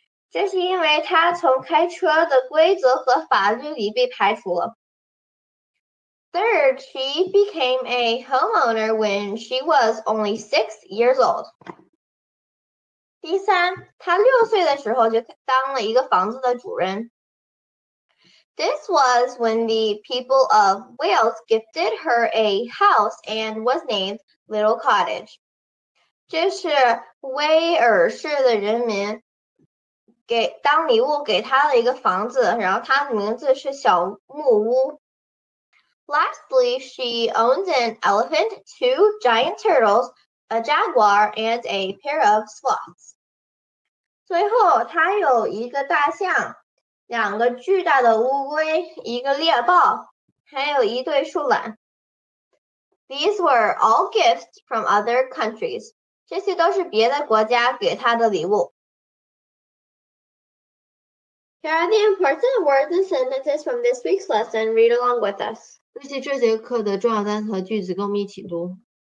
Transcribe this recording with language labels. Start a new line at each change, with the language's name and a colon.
Chinese: 这是因为她从开车的规则和法律里被排除了。
English: Third, she became a homeowner when she was only 6 years old.
Chinese: 第三，她六岁的时候就当了一个房子的主人。
English: This was when the people of Wales gifted her a house and was named Little Cottage.
Chinese: 这是威尔士的人民给当礼物给她的一个房子，然后她的名字是小木屋。
English: Lastly, she owns an elephant, two giant turtles, a jaguar, and a pair of sloths.
Chinese: 最后，她有一个大象。两个巨大的乌龟，一个猎豹，还有一对树懒。
English: These were all gifts from other countries.
Chinese: 这些都是别的国家给他的礼物。
English: Here are the important words and sentences from this week's lesson. Read along with us.
Chinese: 这些这节课的重要单词和句子跟我们一起读。